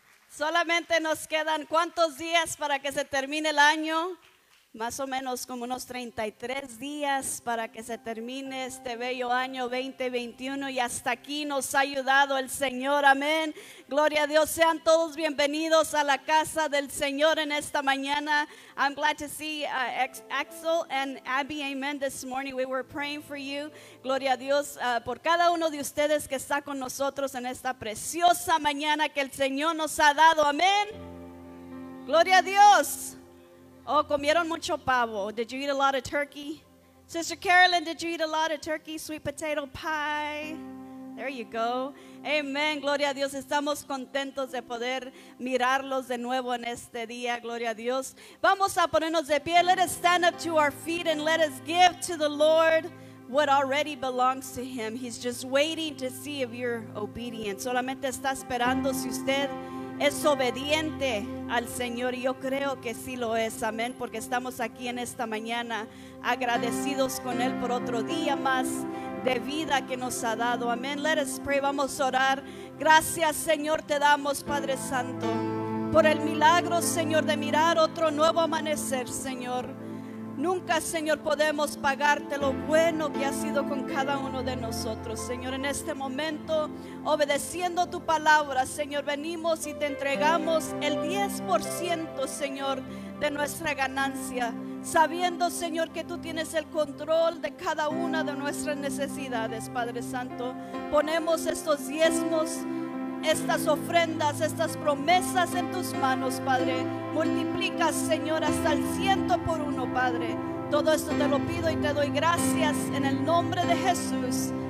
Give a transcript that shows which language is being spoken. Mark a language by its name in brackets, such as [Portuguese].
[Spanish] Solamente nos quedan ¿cuántos días para que se termine el año? Más o menos como unos 33 días para que se termine este bello año 2021. Y hasta aquí nos ha ayudado el Señor, amén. Gloria a Dios, sean todos bienvenidos a la casa del Señor en esta mañana. [English] I'm glad to see Axel and Abby, amen, this morning. We were praying for you. [Spanish] Gloria a Dios por cada uno de ustedes que está con nosotros en esta preciosa mañana que el Señor nos ha dado, amén. Gloria a Dios. Oh, comieron mucho pavo. [English] Did you eat a lot of turkey? Sister Carolyn, did you eat a lot of turkey? Sweet potato pie. There you go. Amen. [Spanish] Gloria a Dios. Estamos contentos de poder mirarlos de nuevo en este día. Gloria a Dios. Vamos a ponernos de pie. [English] Let us stand up to our feet and let us give to the Lord what already belongs to Him. He's just waiting to see if you're obedient. [Spanish] Solamente está esperando si usted es obediente al Señor, y yo creo que sí lo es, amén, porque estamos aquí en esta mañana agradecidos con Él por otro día más de vida que nos ha dado, amén. [English] Let us pray, [Spanish] vamos a orar. Gracias, Señor, te damos, Padre Santo, por el milagro, Señor, de mirar otro nuevo amanecer, Señor. Nunca, Señor, podemos pagarte lo bueno que ha sido con cada uno de nosotros, Señor. En este momento, obedeciendo tu palabra, Señor, venimos y te entregamos el 10%, Señor, de nuestra ganancia, sabiendo, Señor, que tú tienes el control de cada una de nuestras necesidades, Padre Santo. Ponemos estos diezmos, estas ofrendas, estas promesas en tus manos, Padre. Multiplica, Señor, hasta el 100 por 1, Padre. Todo esto te lo pido y te doy gracias en el nombre de Jesús.